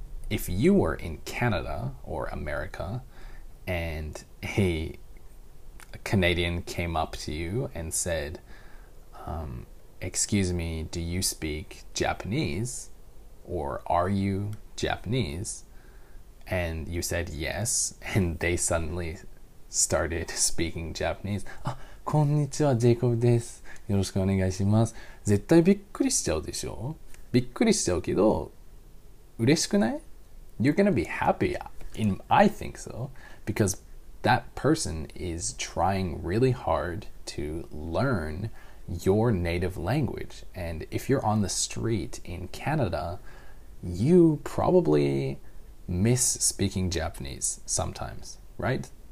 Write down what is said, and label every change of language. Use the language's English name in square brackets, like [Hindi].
[English] If you were in Canada or America and a Canadian came up to you and said, excuse me, do you speak Japanese or are you Japanese? And you said yes, and they suddenly started speaking Japanese. [Japanese] Ah, konnichiwa, Jacob desu. よろしくお願いします。絶対びっくりしちゃうでしょ? びっくりしちゃうけど、嬉しくない? [English] You're gonna be happy, I think so, because that person is trying really hard to learn your native language. And if you're on the street in Canada, you probably miss speaking Japanese sometimes, right?